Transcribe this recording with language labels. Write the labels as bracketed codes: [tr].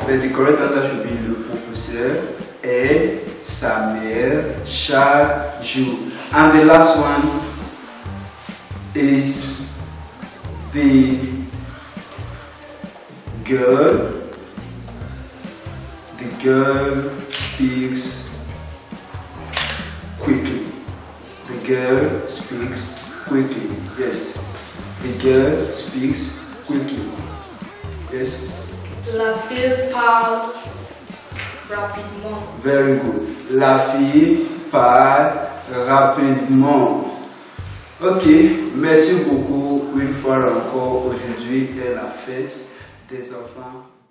[en] But the correct answer should be [fr] le professeur aide sa mère chaque jour. [en] And the last one is the girl. The girl speaks quickly. The girl speaks quickly. Yes. The girl speaks quickly. Yes. [fr] La fille parle rapidement. [en] Very good. [fr] La fille parle rapidement. Ok. Merci beaucoup une fois encore. Aujourd'hui est la fête des enfants.